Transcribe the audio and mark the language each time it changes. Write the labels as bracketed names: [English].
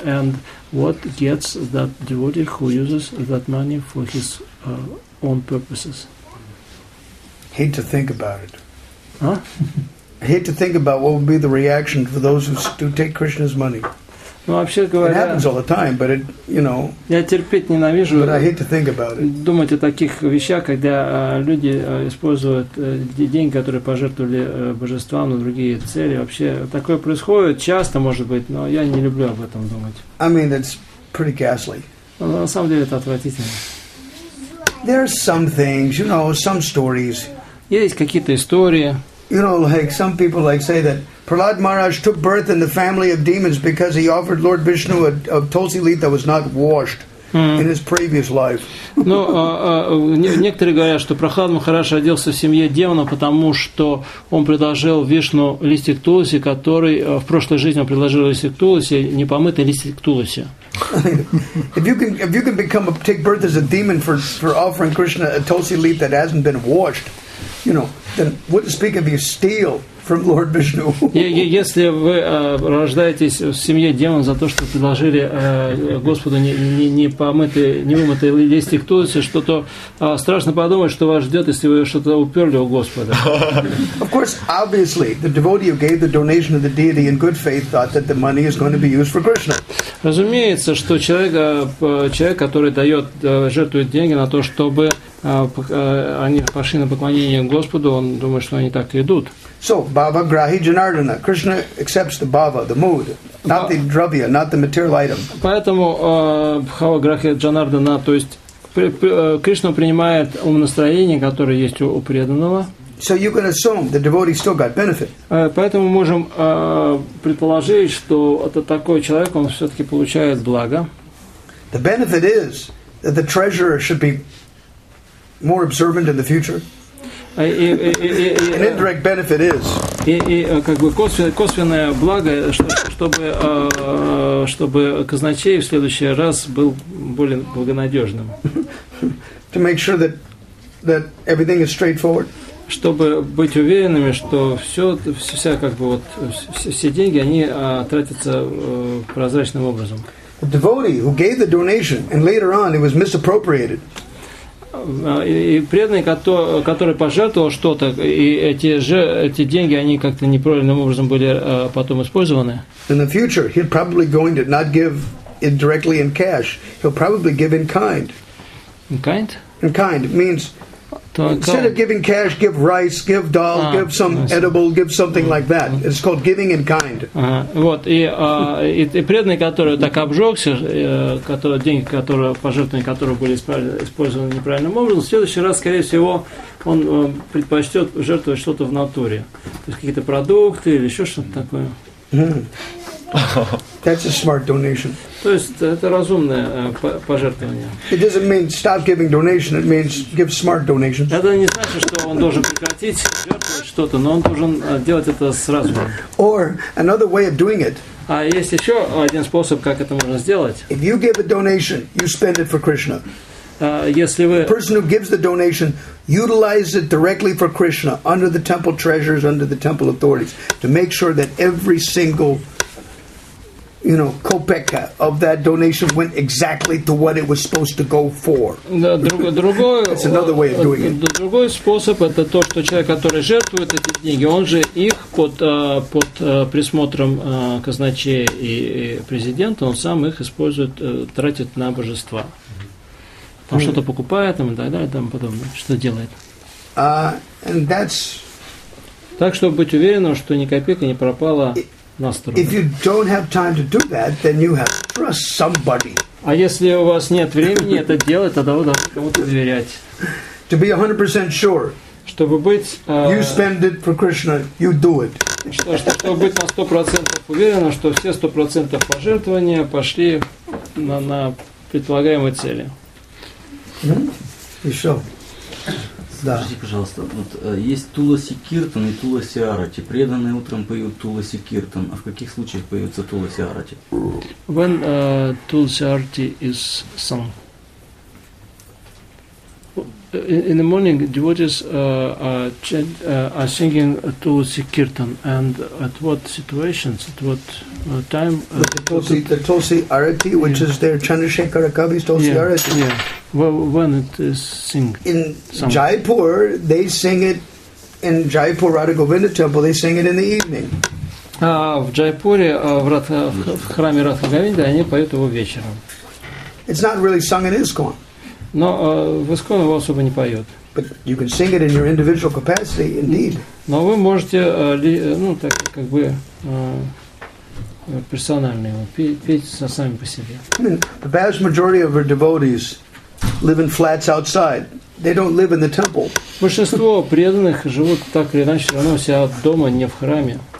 [English] And what gets that devotee who uses that money for his own purposes? Hate to think about it. Huh? Hate to think about what would be the reaction for those who do take Krishna's money. [Russian] Ну, вообще говоря, [English] it happens all the time, but it, you know, [Russian] я терпеть ненавижу, [English] but I hate to think about it. [Russian] Думать о таких вещах, когда люди используют деньги, которые пожертвовали божествам на другие цели. Вообще, такое происходит часто, может быть, но я не люблю об этом думать. [English] I mean, it's pretty ghastly. [Russian] Но на самом деле, это отвратительно. [English] There are some things, you know, some stories. [Russian] Есть какие-то истории. [English] You know, like some people like say that Prahlad Maharaj took birth in the family of demons because he offered Lord Vishnu a tulsi leaf that was not washed in his previous life. [Russian] Ну, некоторые говорят, что Прохлад Махарадж родился в семье демона, потому что он предложил Вишну листик тулоси, который в прошлой жизни он предложил листик тулоси, непомытый листик тулоси. [English] If you can become take birth as a demon for offering Krishna a tulsi leaf that hasn't been washed, you know, then wouldn't speak of you steal from Lord Vishnu. [Russian] Если вы рождаетесь в семье демонов за то, что предложили Господу не вымытый листик тулоси, что-то страшно подумать, что вас ждет, если вы что-то уперли у Господа. [English] Of course, obviously, the devotee who gave the donation of the deity in good faith thought that the money is going to be used for Krishna. [Russian] Разумеется, что человек, который дает, жертвует деньги на то, чтобы они пошли на поклонение Господу, он думает, что они так и идут. [English] So, [Sanskrit] bhava grahi janardana. [English] Krishna accepts the bhava, the mood, not the dravya, not the material item. [Russian] Поэтому [Sanskrit] bhava grahi janardana, [Russian] то есть Кришна принимает ум настроение, которое есть у преданного. [English] So you can assume the devotee still got benefit. [Russian] Поэтому можем предположить, что это такой человек, он все-таки получает благо. [English] The benefit is that the treasurer should be more observant in the future. An indirect benefit is. [Russian] И как бы косвенное благо, чтобы казначей в следующий раз был более благонадежным. [English] To make sure that everything is straightforward. [Russian] Чтобы быть уверенными, что вся как бы вот все деньги они тратятся прозрачным образом. [English] The devotee who gave the donation and later on it was misappropriated. [Russian] И преданный, который пожертвовал что-то, и эти деньги, они как-то неправильным образом были потом использованы. [English] In the future, he'll probably going to not give it directly in cash. He'll probably give in kind. In kind? In kind means instead of giving cash, give rice, give doll, give some edible, give something like that. It's called giving in kind. [Russian] Вот, и преданный, который так обжегся, деньги, пожертвования которого были использованы неправильным образом, в следующий раз, скорее всего, он предпочтет жертвовать что-то в натуре. То есть какие-то продукты или еще что-то такое. [English] That's a smart donation. [Russian] То есть это разумное пожертвование. [English] It doesn't mean stop giving donation. It means give smart donation. [Russian] Это не значит, что он должен прекратить жертвовать что-то, но он должен делать это с разумом. [English] Or another way of doing it. [Russian] А есть еще один способ, как это можно сделать. [English] If you give a donation, you spend it for Krishna. [Russian] Если вы... [English] The person who gives the donation utilizes it directly for Krishna under the temple treasures, under the temple authorities, to make sure that every single, you know, kopeka of that donation went exactly to what it was supposed to go for. That's another way of doing it. [Russian] Другой способ – это то, что человек, который жертвует эти деньги, он же их под присмотром казначея и президента, он сам их использует, тратит на божества. Он что-то покупает там, и так далее, и тому подобное. Что делает? [English] And that's, [Russian] так, чтобы быть уверенным, что ни копейка не пропала на сторону. [English] If you don't have time to do that, then you have to trust somebody. [Russian] А если у вас нет времени это делать, тогда вы должны кому-то доверять. [English] To be 100% sure. [Russian] Чтобы быть... [English] You spend it for Krishna, you do it. [Russian] Чтобы быть на 100% уверенным, что все 100% пожертвования пошли на предполагаемые цели. Mm-hmm. Еще. Скажите, да. Пожалуйста, вот есть Туласи Киртан и Туласи Арати. Преданные утром поют Туласи Киртан. А в каких случаях поется Туласи Арати? [English] When Туласи Арати is sung. In the morning, devotees are singing Tulsi Kirtan. And at what situations, at what time? The Tulsi Arati, which is their Chandrasekhara Kavi's Tulsi Arati. Yeah. Well, when it is sung. In song. Jaipur, they sing it, in Jaipur Radha Govinda Temple, they sing it in the evening. [Russian] В Джайпуре, в храме Радха Говинда, они поют его вечером. [English] It's not really sung in ISKCON. [Russian] Но в ИСКОН его особо не поет. [English] But you can sing it in your individual capacity, indeed. [Russian] Но вы можете, ну, так как бы, персонально его петь сами по себе. [English] The vast majority of our devotees live in flats outside. They don't live in the temple. [Russian] Большинство преданных живут так или иначе, все равно у себя дома, не в храме.